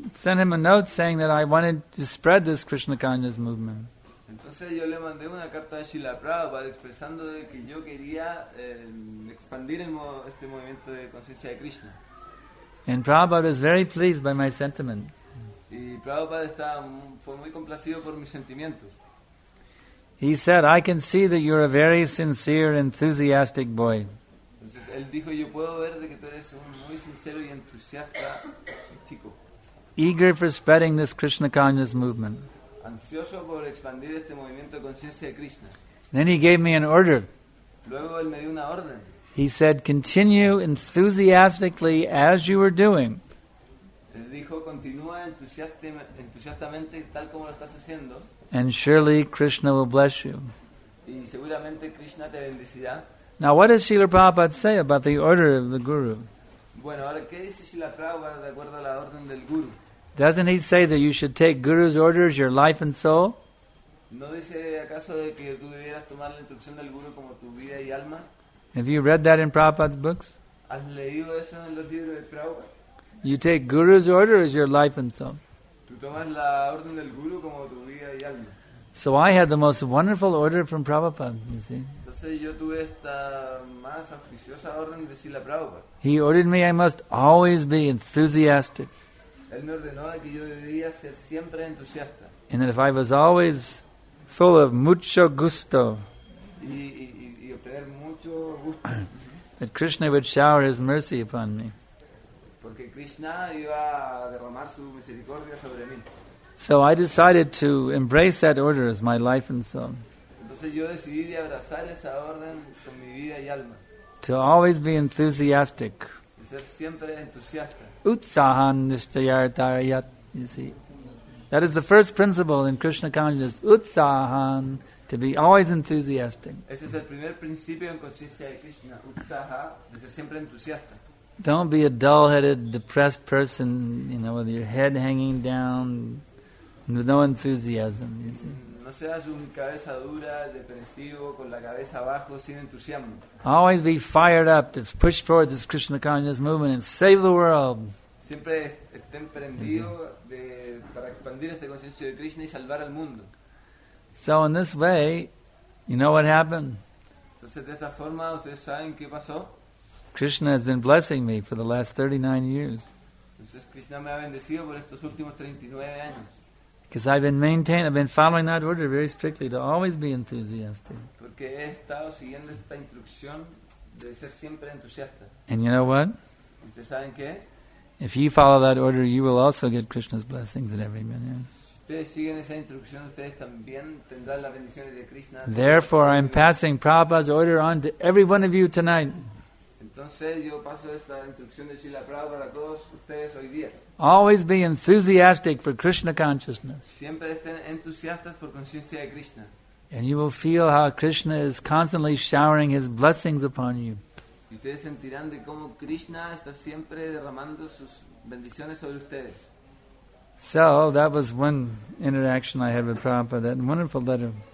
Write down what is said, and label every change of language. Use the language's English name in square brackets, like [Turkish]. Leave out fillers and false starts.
[English] sent him a note saying that I wanted to spread this Krishna consciousness movement. [Spanish] Entonces yo le mandé una carta a Srila Prabhupada expresando de que yo quería expandir este movimiento de conciencia de Krishna. [English] And Prabhupada was very pleased by my sentiment. [Spanish] Y Prabhupada fue muy complacido por mis sentimientos. [English] He said, "I can see that you're a very sincere, enthusiastic boy." [Spanish] Entonces él dijo, "Yo puedo ver de que tú eres un muy sincero y entusiasta chico." [English] Eager for spreading this Krishna consciousness movement. [Spanish] Ansioso por expandir este movimiento de conciencia de Krishna. [English] Then he gave me an order. [Spanish] Luego él me dio una orden. [English] He said, "Continue enthusiastically as you were doing." [Spanish] Él dijo, "Continúa entusiastamente tal como lo estás haciendo." [English] And surely Krishna will bless you. [Spanish] Y seguramente Krishna te bendecirá. [English] Now, what does Srila Prabhupada say about the order of the Guru? [Spanish] Bueno, ahora, ¿qué dice Srila Prabhupada de acuerdo a la orden del Guru? [English] Doesn't he say that you should take Guru's orders, your life and soul? [Spanish] ¿No dice acaso de que tú debieras tomar la instrucción del Guru como tu vida y alma? [English] Have you read that in Prabhupada's books? [Spanish] ¿Has leído eso en los libros de Prabhupada? [English] You take Guru's orders, your life and soul. [Spanish] ¿Tú tomas la orden del Guru como tu vida y alma? [English] So I had the most wonderful order from Prabhupada, you see. [Spanish] Yo tuve esta más auspiciosa orden de Srila Prabhupada. [English] He ordered me I must always be enthusiastic. [Spanish] Él me ordenó que yo debía ser siempre entusiasta. [English] And that if I was always full of [Spanish] mucho gusto, y obtener mucho gusto, [English] that Krishna would shower his mercy upon me. [Spanish] Porque Krishna iba a derramar su misericordia sobre mí. [English] So I decided to embrace that order as my life and soul. [Spanish] Entonces yo decidí de abrazar esa orden con mi vida y alma. [English] To always be enthusiastic. [Spanish] De ser siempre entusiasta. [Sanskrit] Utsahan nishtayartarayat, [English] you see. That is the first principle in Krishna consciousness. Utsahan, to be always enthusiastic. [Spanish] Ese es el primer principio en conciencia de Krishna. Utsaha, de ser siempre entusiasta. [English] Don't be a dull-headed, depressed person, you know, with your head hanging down, with no enthusiasm, you see. [Spanish] No seas un cabeza dura, depresivo, con la cabeza abajo, sin entusiasmo. [English] Always be fired up to push forward this Krishna consciousness movement and save the world. [Spanish] Siempre estén prendidos para expandir este conciencia de Krishna y salvar al mundo. [English] So in this way, you know what happened? [Spanish] Entonces de esta forma, ¿ustedes saben qué pasó? [English] Krishna has been blessing me for the last 39 years. [Spanish] Entonces Krishna me ha bendecido por estos últimos 39 años. [English] Because I've been following that order very strictly to always be enthusiastic. [Spanish] Porque he estado siguiendo esta instrucción de ser siempre entusiasta. [English] And you know what? [Spanish] ¿Ustedes saben qué? [English] If you follow that order, you will also get Krishna's blessings at every minute. [Spanish] Si ustedes siguen esa instrucción, ustedes también tendrán las bendiciones de Krishna. [English] Therefore, I'm passing Prabhupada's order on to every one of you tonight. [Spanish] Entonces yo paso esta instrucción de Srila Prabhupada a todos ustedes hoy día. [English] Always be enthusiastic for Krishna consciousness. [Spanish] Siempre estén entusiastas por conciencia de Krishna. [English] And you will feel how Krishna is constantly showering his blessings upon you. [Spanish] Y ustedes sentirán de cómo Krishna está siempre derramando sus bendiciones sobre ustedes. [English] So that was one interaction I had with Prabhupada, that wonderful letter.